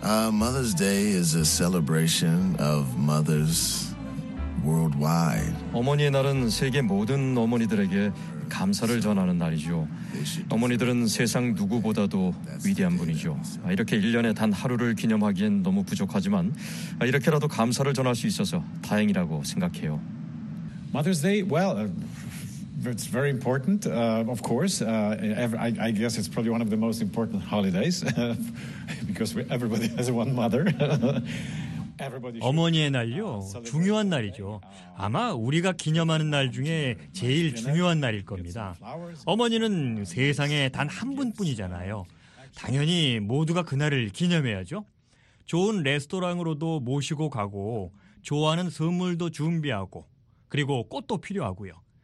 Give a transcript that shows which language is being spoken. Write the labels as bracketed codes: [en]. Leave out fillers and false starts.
[en] Mother's Day is a celebration of mothers worldwide. [ko] 어머니의 날은 세계 모든 어머니들에게 감사를 전하는 날이죠. 어머니들은 세상 누구보다도 위대한 분이죠. 이렇게 1년에 단 하루를 기념하기엔 너무 부족하지만 이렇게라도 감사를 전할 수 있어서 다행이라고 생각해요. [en] Mother's Day, well, it's very important, of course. I guess it's probably one of the most important holidays because everybody has one mother. [ko] 어머니의 날요? 중요한 날이죠. 아마 우리가 기념하는 날 중에 제일 중요한 날일 겁니다. 어머니는 세상에 단 한 분뿐이잖아요. 당연히 모두가 그날을 기념해야죠. 좋은 레스토랑으로도 모시고 가고 좋아하는 선물도 준비하고 그리고 꽃도 필요하고요.